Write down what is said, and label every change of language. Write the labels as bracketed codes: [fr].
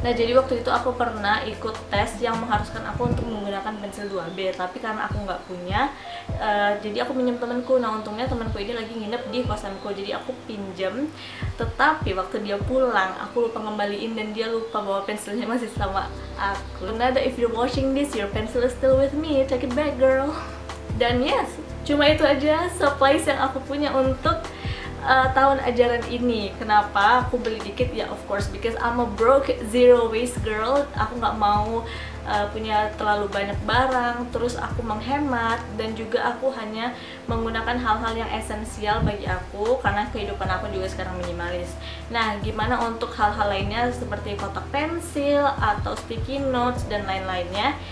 [id] Nah, jadi waktu itu aku pernah ikut tes yang mengharuskan aku untuk menggunakan pensil 2B, tapi karena aku nggak punya, jadi aku pinjam temanku. Nah, untungnya temanku ini lagi nginep di kosanku, jadi aku pinjam. Tetapi waktu dia pulang, aku lupa ngembaliin dan dia lupa bahwa pensilnya masih sama aku. [en] Nada, if you're watching this, your pencil is still with me. Take it back, girl. [id] Dan yes, cuma itu aja supplies yang aku punya untuk tahun ajaran ini. Kenapa aku beli dikit? Ya, [en] of course, because I'm a broke zero waste girl. [id] Aku gak mau punya terlalu banyak barang, terus aku menghemat, dan juga aku hanya menggunakan hal-hal yang esensial bagi aku karena kehidupan aku juga sekarang minimalis. Nah, gimana untuk hal-hal lainnya seperti kotak pensil atau sticky notes dan lain-lainnya?